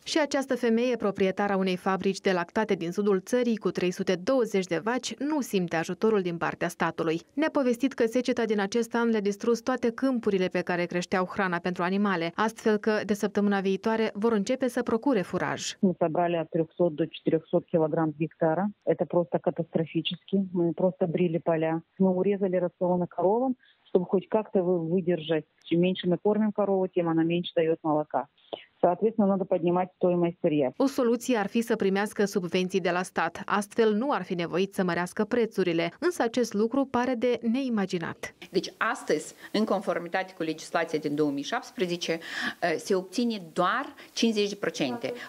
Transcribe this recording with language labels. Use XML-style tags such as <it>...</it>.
<ro>Și această femeie, proprietara unei fabrici de lactate din sudul țării cu 320 de vaci, nu simte ajutorul din partea statului. Ne-a povestit că seceta din acest an le-a distrus toate câmpurile pe care creșteau hrana pentru animale, astfel că de săptămâna viitoare vor începe să procure furaj.</ro> <ru>Собрали от 300 до 400 килограмм гектара. Это просто катастрофически. Мы просто брили поля. Мы урезали рационы коровам, чтобы хоть как-то выдержать. Чем меньше мы кормим корову, тем она меньше дает молока. Соответственно, надо поднимать стоимость сырья.</ru> <ro>О солюции ar fi să primească subvenții de la stat. Astfel nu ar fi nevoit să mărească prețurile, însă acest lucru pare de neimaginat. Deci astăzi, în conformitate cu legislația din 2017, se obține doar 50%.</ro>